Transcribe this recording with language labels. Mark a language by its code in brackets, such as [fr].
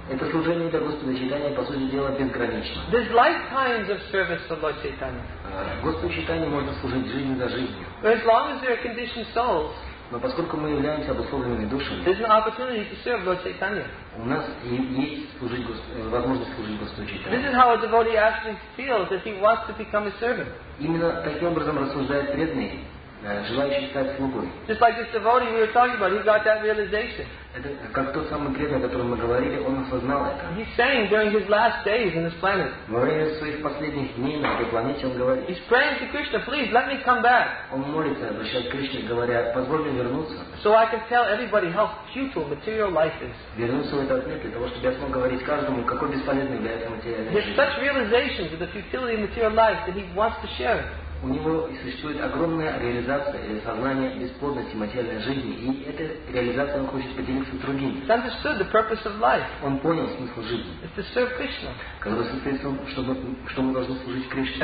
[ru] Это служение для Господа Чайтаньи, по сути дела, безгранично. [en] There's lifetimes of service for Lord Chaitanya. [ru] Господу Чайтаньи можно служить жизнь за жизнью. [en] As long as there are conditioned souls, [ru] но поскольку мы являемся обусловленными душами, [en] there's an opportunity to serve Lord Chaitanya. [ru] У нас есть возможность служить Господу Чайтанье. [en] This is how a devotee actually feels that he wants to become a servant. [ru] Именно таким образом рассуждает преданный, желающий стать слугой. [en] Just like this devotee we were talking about, he got that realization. [ru] Это как тот самый преданный, о котором мы говорили, он осознал это. [en] He's saying during his last days on this planet. [ru] Во время своих последних дней на этой планете он говорит. [en] He's praying to Krishna, please let me come back. [ru] Он молится, обращается к Кришне, говоря, позволь мне вернуться. [en] So I can tell everybody how futile material life is. [ru] Вернуться в этот мир для того, чтобы я смог говорить каждому, какой бесполезный для этого материальный мир. [en] He has such realizations of the futility of material life that he wants to share. [ru] У него существует огромная реализация или сознание бесплодности материальной жизни, и эта реализация он хочет поделиться с другими. [en] He understood the purpose of life. [ru] Он понял смысл жизни. [en] It's to serve Krishna. [ru] Который состоит в том, что мы должны служить Кришне.